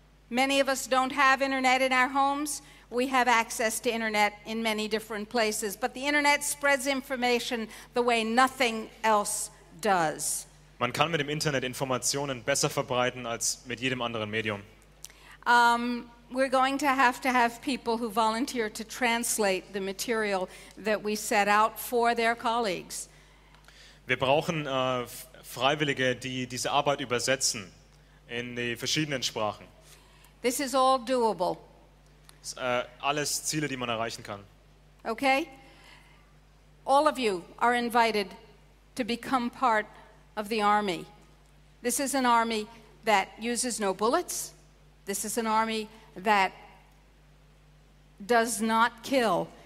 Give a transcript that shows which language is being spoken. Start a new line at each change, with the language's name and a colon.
English: Many of us don't have internet in our homes. We have access to internet in many different places, but the internet spreads information the way nothing else does.
German: Man kann mit dem Internet Informationen besser verbreiten als mit jedem anderen Medium.
English: We're going to have people who volunteer to translate the material that we set out for their colleagues.
German: Wir brauchen Freiwillige, die diese Arbeit übersetzen in die verschiedenen Sprachen.
English: This is all doable.
German: Das sind alles Ziele, die man erreichen kann.
English: Okay? All of you are invited to become part of the army. This is an army that uses no bullets. This is an army that does not kill.